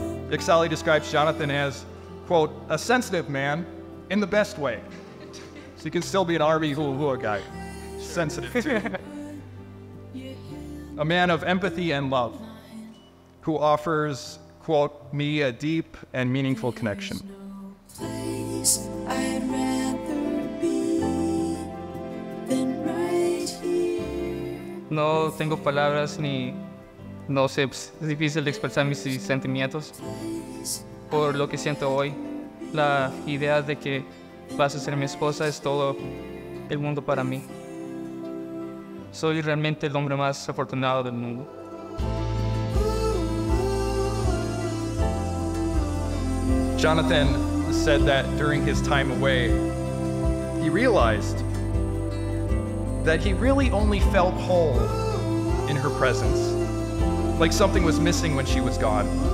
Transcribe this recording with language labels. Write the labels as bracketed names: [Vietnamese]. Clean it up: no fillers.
[English] Yeksaly describes Jonathan as, quote, a sensitive man in the best way. So you can still be an RV hula hula guy. Sensitive. A man of empathy and love who offers, quote, me a deep and meaningful connection. [Spanish] No tengo palabras ni no sé, es difícil de expresar mis sentimientos por lo que siento hoy. La idea de que vas a ser mi esposa es todo el mundo para mí. Soy realmente el hombre más afortunado del mundo. [English] Jonathan said that during his time away, he realized that he really only felt whole in her presence, like something was missing when she was gone.